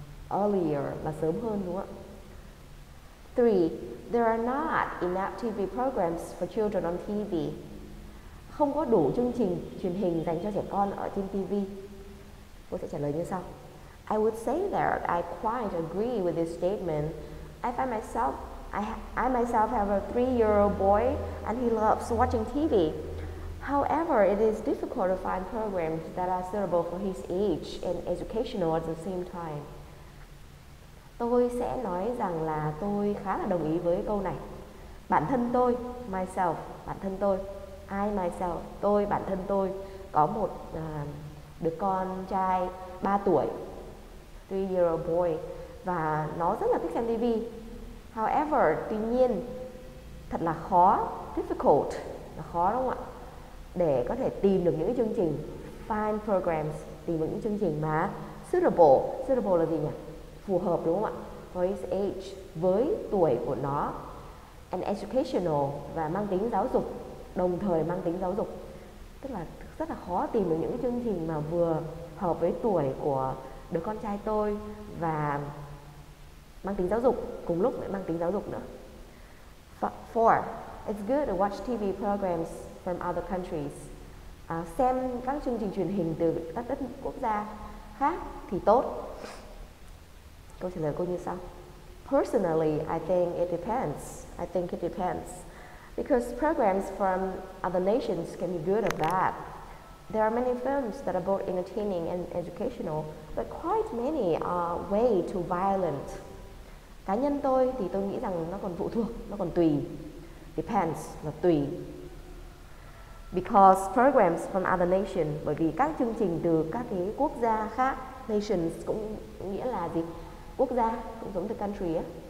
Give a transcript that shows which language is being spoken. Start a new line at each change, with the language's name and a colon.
Vietnamese: Earlier là sớm hơn, đúng không ạ?
English: 3. There are not enough TV programs for children on TV.
Vietnamese: Không có đủ chương trình truyền hình dành cho trẻ con ở trên TV. Cô sẽ trả lời như sau.
English: I would say that I quite agree with this statement. I myself have a 3-year-old boy and he loves watching TV. However, it is difficult to find programs that are suitable for his age and educational at the same time.
Vietnamese: Tôi sẽ nói rằng là tôi khá là đồng ý với câu này. Bản thân tôi, myself, bản thân tôi,
English: I myself,
Vietnamese: tôi, bản thân tôi có một đứa con trai 3 tuổi,
English: 3-year-old boy,
Vietnamese: và nó rất là thích xem TV. However, tuy nhiên, thật là khó, difficult, là khó đúng không ạ? Để có thể tìm được những cái chương trình,
English: find programs,
Vietnamese: tìm được những chương trình mà suitable là gì nhỉ? Phù hợp đúng không ạ? Với age, với tuổi của nó,
English: and educational
Vietnamese: và mang tính giáo dục, đồng thời mang tính giáo dục. Tức là rất là khó tìm được những cái chương trình mà vừa hợp với tuổi của đứa con trai tôi và mang tính giáo dục, cùng lúc lại mang tính giáo dục nữa.
English: Four, it's good to watch TV programs from other countries.
Vietnamese: Xem các chương trình truyền hình từ các đất quốc gia khác thì tốt. Câu trả lời cô như sau.
English: Personally, I think it depends. I think it depends. Because programs from other nations can be good or bad. There are many films that are both entertaining and educational, but quite many are way too violent.
Vietnamese: Cá nhân tôi thì tôi nghĩ rằng nó còn phụ thuộc, nó còn tùy. Depends là tùy.
English: Because programs from other nations,
Vietnamese: bởi vì các chương trình từ các cái quốc gia khác, nations cũng nghĩa là gì? Quốc gia cũng giống từ country á.